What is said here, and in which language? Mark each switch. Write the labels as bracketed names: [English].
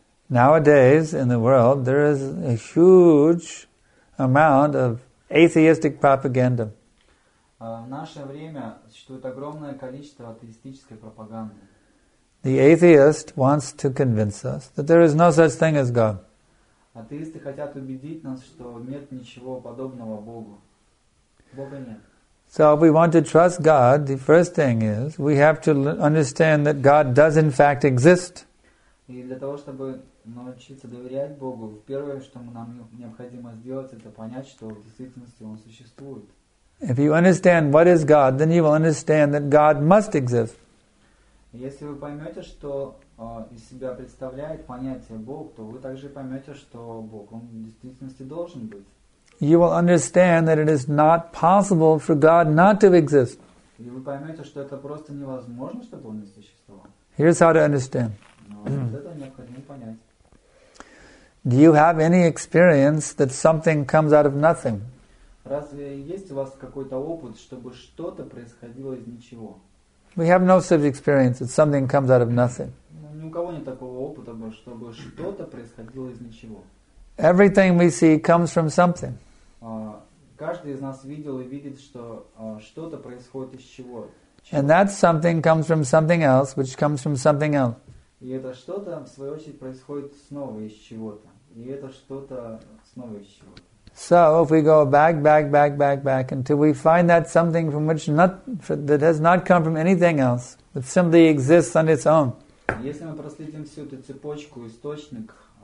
[English] Nowadays in the world there is a huge amount of atheistic propaganda. [Russian] В наше время существует огромное количество атеистической пропаганды. [English] The atheist wants to convince us that there is no such thing as God. [Russian] Атеисты хотят убедить нас, что нет ничего подобного Богу. Бога нет. [English] So if we want to trust God, the first thing is we have to understand that God does in fact exist. [Russian] И для того, чтобы научиться доверять Богу, первое, что нам необходимо сделать, это понять, что в действительности Он существует. [English] If you understand what is God, then you will understand that God must exist. [Russian] Если вы поймете, что из себя представляет понятие Бог, то вы также поймете, что Бог, он в действительности должен быть. [English] You will understand that it is not possible for God not to exist. [Russian] И вы поймете, что это просто невозможно, чтобы он не существовал. [English] Here's how to understand. [Russian] Это необходимо понять. [English] Do you have any experience that something comes out of nothing? [Russian] Разве есть у вас какой-то опыт, чтобы что-то происходило из ничего? [English] We have no such experience that something comes out of nothing. [Russian] Ни у кого нет такого опыта, чтобы что-то происходило из ничего. [English] Everything we see comes from something. [Russian] Каждый из нас видел и видит, что что-то происходит из чего. [English] And that something comes from something else, which comes from something else. [Russian] И это что-то в свою очередь происходит снова из чего-то. И это что-то снова из чего-то. [English] So if we go back until we find that something from which that has not come from anything else, that simply exists on its own. [Russian] Если мы проследим всю эту цепочку, источник,